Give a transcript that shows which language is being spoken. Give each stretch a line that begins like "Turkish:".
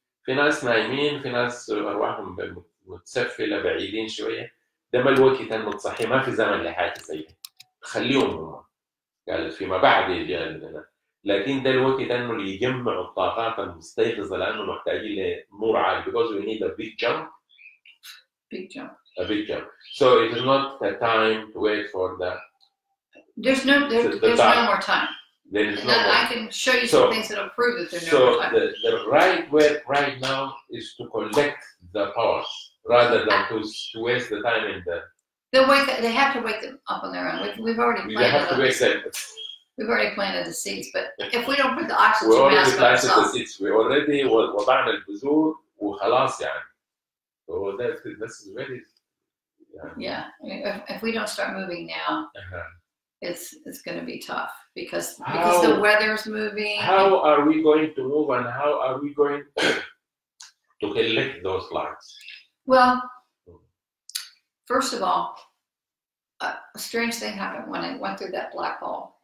Arabic: في ناس نايمين، في ناس أرواحهم متسفلة بعيدين شوية. ده ما الوقت أنه تصحي، ما في زمن لحياتي زيها. خليهم هم. قال فيما بعد يجي عندنا. لكن ده الوقت أنه اللي يجمع الطاقات المستيقظة لأنه محتاجين لنور عالي.
English: Because we need a big jump. Big jump. A big jump. So it is not the time to wait for the... There's no more time. There is no and I can show you some things that will prove that there's no more time. So the right way right now is to collect the powers rather than to waste the time in the... They have to wake them up on their own. We've already planted them. They have to wake them. We've already planted the seeds, but if we don't put the oxygen mask on ourselves... We already planted the seeds. We already
Arabic: وضعنا البذور وخلاص يعني.
English: So this is very... Yeah. If we don't start moving now... It's going to be tough because the weather's moving. How are we going to move and how are we going to collect those lights? Well, first of all, a strange thing happened when I went through that black hole.